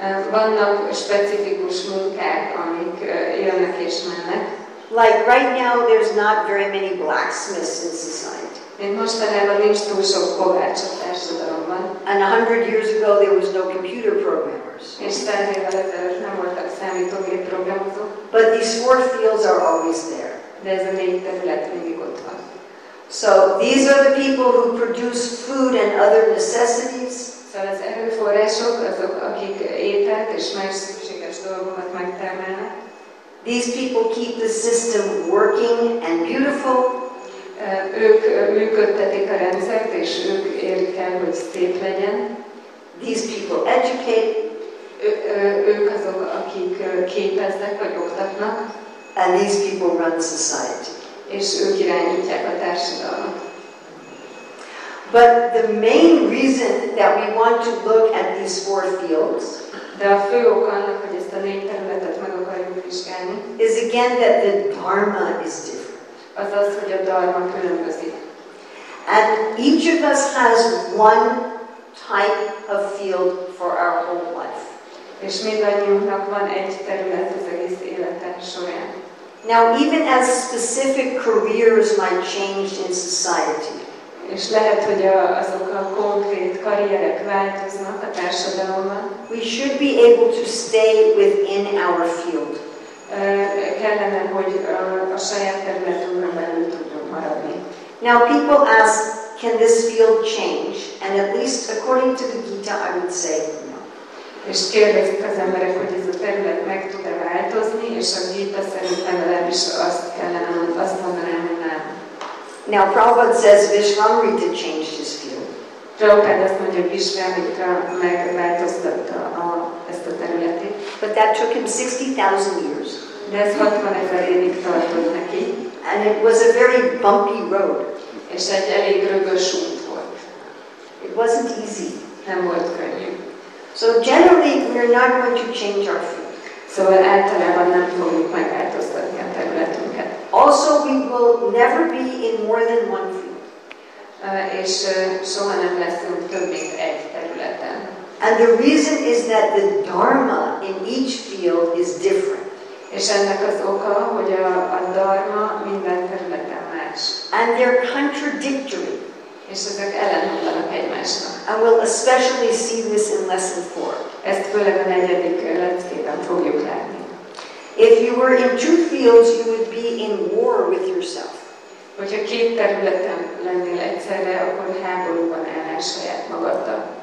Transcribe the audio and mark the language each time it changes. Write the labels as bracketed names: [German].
[Hungarian] Vannak specifikus munkák, amik jönnek és mennek. [English] Like right now, there's not very many blacksmiths in society. [Hungarian] Én mostanában nincs túl sok kovács a társadalomban. [English] And 100 years ago, there was no computer programmers. [Hungarian] És 100 évvel ezelőtt nem voltak számítógép programozók. [English] But these four fields are always there. [Hungarian] De ez a négy terület mindig ott van. [English] So these are the people who produce food and other necessities. [Hungarian] Szóval az erőforrások, azok, akik ételt és más szükséges dolgokat megtermelnek. [English] These people keep the system working and beautiful. [Hungarian] Ők működtetik a rendszert, és ők érik el, hogy szép legyen. [English] These people educate. [Hungarian] Ők azok, akik képeznek vagy oktatnak. [English] And these people run society. [Hungarian] És ők irányítják a társadalmat. [English] But the main reason that we want to look at these four fields, [Hungarian] de a fő ok annak, hogy ezt a négy területet meg akarjuk vizsgálni, [English] is again that the dharma is different. [Hungarian] Azaz, hogy a dharma különbözik. [English] And each of us has one type of field for our whole life. [Hungarian] És mindannyiunknak van egy terület az egész élete során. [English] Now even as specific careers might change in society, [Hungarian] és lehet, hogy azok a konkrét karrierek változnak a társadalomban. [English] We should be able to stay within our field. [Hungarian] Kellene, hogy a saját területünkön belül tudjunk maradni. [English] Now people ask, can this field change? And at least according to the Gita, I would say no. [Hungarian] És kérdezik az emberek, hogy ez a terület meg tud-e változni, és a Gita szerint legalábbis azt kellene, azt mondanám, hogy nem. [English] Now Prabhupada says Vishvamrita changed his field. [Hungarian] Prabhupada azt mondja, hogy Vishvamrita megváltoztatta ezt a területet. [English] But that took him 60,000 years. [Hungarian] De ez 60,000 évig tartott neki. [English] And it was a very bumpy road. [Hungarian] És egy elég rögös út volt. [English] It wasn't easy. [Hungarian] Nem volt könnyű. [English] So generally we are not going to change our field. [Hungarian] Szóval általában nem fogjuk megváltoztatni a területünket. [English] Also we will never be in more than one field. [Hungarian] És soha nem leszünk több mint egy területen. [English] And the reason is that the dharma in each field is different. [Hungarian] És ennek az oka, hogy a dharma minden területen más. [English] And they're contradictory. [Hungarian] És ezek ellentmondanak egymásnak. [English] And we'll especially see this in lesson 4. [Hungarian] Ezt főleg a negyedik leckében fogjuk látni. [English] If you were in two fields, you would be in war with yourself. [Hungarian] Hogyha két területen lennél egyszerre, akkor háborúban állnál saját magaddal.